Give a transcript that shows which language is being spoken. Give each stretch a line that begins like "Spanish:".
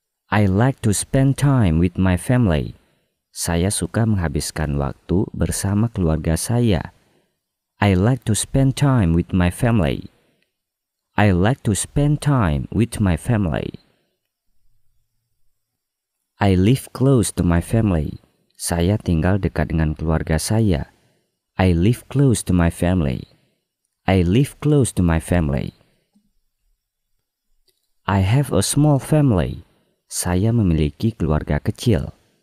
English: I like to spend time with my family.
Indonesian: Saya suka menghabiskan waktu bersama keluarga saya.
English: I like to spend time with my family. I like to spend time with my family. I live close to my family.
Indonesian: Saya tinggal dekat dengan keluarga saya.
English: I live close to my family. I live close to my family. I have a small family.
Indonesian: Saya memiliki keluarga kecil.